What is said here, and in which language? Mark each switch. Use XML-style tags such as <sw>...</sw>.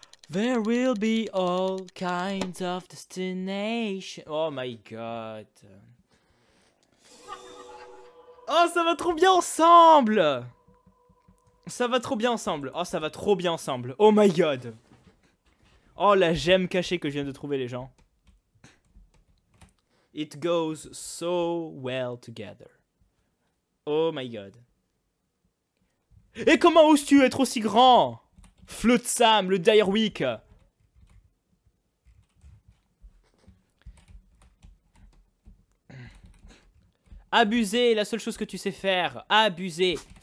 <en>There will be all kinds of destinations. Oh my god.</en> <fr>Oh, ça va trop bien ensemble. Ça va trop bien ensemble. Oh, ça va trop bien ensemble.</fr> <en>Oh my god.</en> <fr>Oh, la gemme cachée que je viens de trouver, les gens.</fr> <en>It goes so well together. Oh my god.</en> <fr>Et comment oses-tu être aussi grand? Flotsam, le Dire Week. Abuser, la seule chose que tu sais faire. Abuser.</fr>